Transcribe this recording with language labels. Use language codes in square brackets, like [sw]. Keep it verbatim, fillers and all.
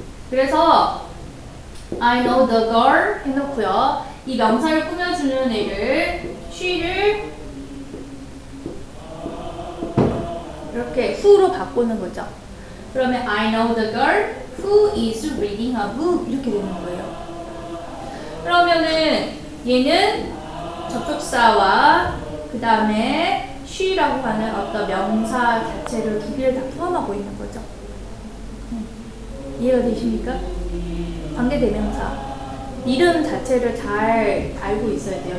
[ko] 그래서 [en] I know the girl [ko] 해놓고요. 이 명사를 꾸며주는 애를 she를 이렇게 who로 바꾸는 거죠. 그러면 [en] I know the girl who is reading a book [ko] 이렇게 되는 거예요. 그러면은 얘는 접속사와 그 다음에 she라고 하는 어떤 명사 자체를 두 개를 다 포함하고 있는 거죠. 이해가 되십니까? 관계대명사 이름 자체를 잘 알고 있어야 돼요.